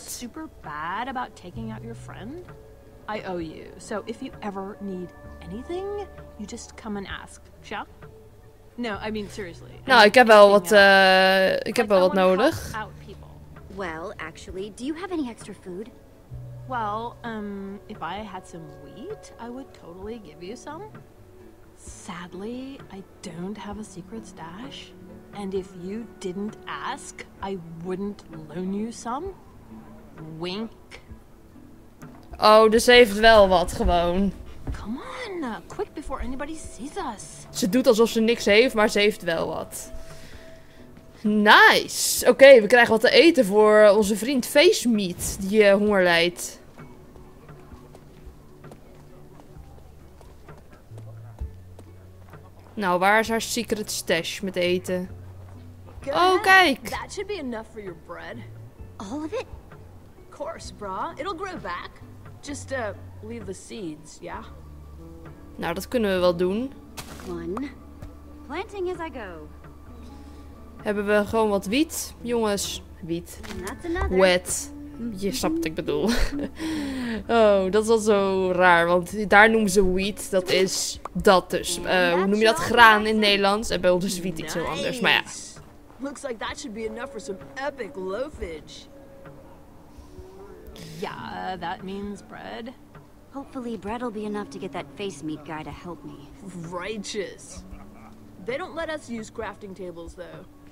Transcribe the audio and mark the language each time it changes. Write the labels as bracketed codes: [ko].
[en] I feel super bad about taking out your friend. I owe you. So if you ever need anything, you just come and ask. Shall? No, I mean seriously. [nl] Nou, ik heb wel wat ik heb wel wat nodig. [en] Well, actually, do you have any extra food? Well, if I had some wheat, I would totally give you some. Sadly, I don't have a secret stash. And if you didn't ask, I wouldn't loan you some. Wink. [nl] Oh, dus heeft wel wat gewoon. [en] Come on, quick before anybody sees us. [nl] Ze doet alsof ze niks heeft, maar ze heeft wel wat. Nice. Oké, we krijgen wat te eten voor onze vriend Facemeat, die honger lijdt. Nou, waar is haar [en] secret stash [nl] met eten? Oh, kijk. [en] That should be enough for your bread. All of it? Of course, brah. It'll grow back. Just leave the seeds, yeah? [nl] Nou, dat kunnen we wel doen. [en] One. Planting as I go. [nl] Hebben we gewoon wat wiet? Jongens, wiet. Wet. Je snapt wat ik bedoel. Oh, dat is wel zo raar, want daar noemen ze wiet. Dat is dat dus. Hoe noem je dat? Graan in Nederlands. En bij ons is wiet iets heel anders, maar ja. [en] Looks like that should be enough for some epic loafage. Yeah, that means bread. Hopefully bread will be enough to get that face meat guy to help me. Righteous. They don't let us use crafting tables, though.